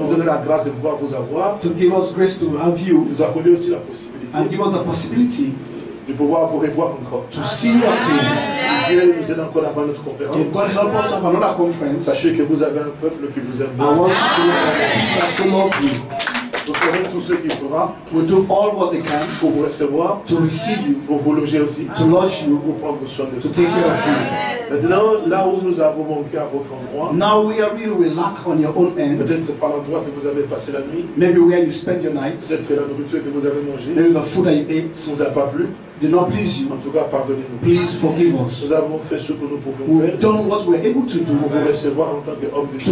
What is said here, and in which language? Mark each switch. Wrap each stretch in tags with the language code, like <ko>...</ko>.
<fr>Nous donner la grâce de pouvoir vous avoir.</fr> <en>To give us grace to have you.</en> <fr>Nous accorder aussi la possibilité.</fr> <en>And give us the possibility.</en> <fr>De pouvoir vous revoir encore.</fr> <en>To see you again.</en> <fr>Dieu nous aide encore avant notre conférence.</fr> <en>If God help us have another conference.</en> <fr>Sachez que vous avez un peuple qui vous aime.</fr> <en>I want you to know that we are so lovely.</en> <fr>Nous ferons tout ce qu'il pourra.</fr> <en>We'll do all what they can.</en> <fr>Pour vous recevoir.</fr> <en>To receive you.</en> <fr>Pour vous loger aussi.</fr> <en>To lodge you.</en> <fr>Pour prendre soin de vous.</fr> <en>To take care of you.</en> <fr>Maintenant, là où nous avons manqué à votre endroit.</fr> <en>Now we are really we lack on your own end.</en> <fr>Peut-être par l'endroit que vous avez passé la nuit.</fr> <en>Maybe where you spent your night.</en> <fr>Peut-être la nourriture que vous avez mangée.</fr> <en>Maybe the food that you ate.</en> <fr>Vous a pas plu.</fr> <en>Did not please you.</en> <fr>En tout cas, pardonnez-nous.</fr> <en>Please forgive us.</en> <fr>Nous avons fait ce que nous pouvons</fr> <en>we've</en> <fr>faire.</fr> <en>Done what we're able to do.</en> <fr>Pour vous recevoir en tant qu'homme de Dieu.</fr>